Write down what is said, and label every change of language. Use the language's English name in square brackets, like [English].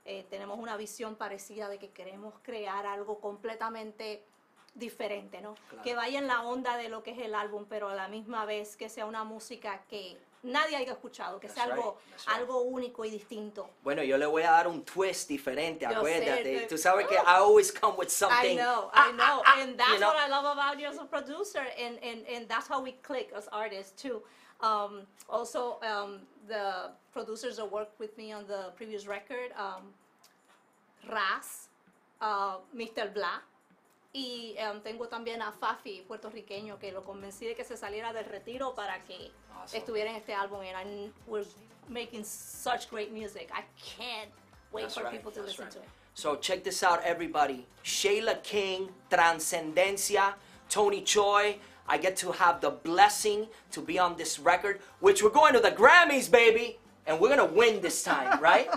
[Spanish] Tenemos una visión parecida de que queremos crear algo completamente diferente, ¿no? Claro. Que vaya en la onda de lo que es el álbum, pero a la misma vez que sea una música que nadie haya escuchado, que sea algo único y distinto. Bueno, yo le voy a dar un twist diferente, acuérdate. Tú sabes que [English] I always come with something. I know. And that's what I love about you as a producer. And that's how we click as artists, too. The producers that worked with me on the previous record, Raz, Mr. [Spanish] Bla, y tengo también a Fafi, puertorriqueño, que lo convencí de que se saliera del retiro para que estuviera en este álbum. [English] And we're making such great music. I can't wait for people to listen to it. So check this out, everybody. Sheila King, Transcendencia, Tony Choy. I get to have the blessing to be on this record, which we're going to the Grammys, baby. And we're going to win this time, right?